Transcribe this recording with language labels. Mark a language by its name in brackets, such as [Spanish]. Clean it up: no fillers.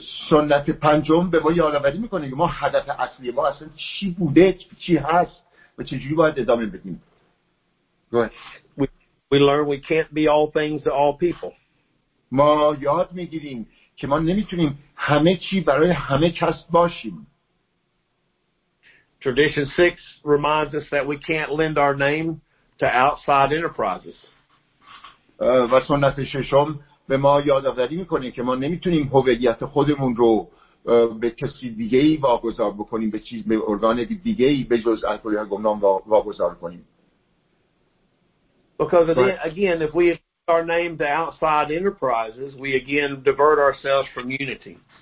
[Persian] سنت پنجم به ما یادآوری میکنه که ما هدف اصلی ما اصلا چی بوده، چی هست و چجوری باید ادامه بدیم. [English] We learn we can't be all things to all people. [Persian] ما یاد میگیریم که ما نمیتونیم همه چی برای همه کس باشیم. [English] Tradition 6 reminds us that we can't lend our name to outside enterprises. [Persian] و سنت ششم به ما یادآوری میکنه که ما نمیتونیم هویت خودمون رو به کسی دیگه‌ای واگذار بکنیم، به چیز، به ارگان دیگه‌ای به جز الکل یا گمنام واگذار کنیم. [English] Because again, if we lend our name to outside enterprises, we again divert ourselves from unity.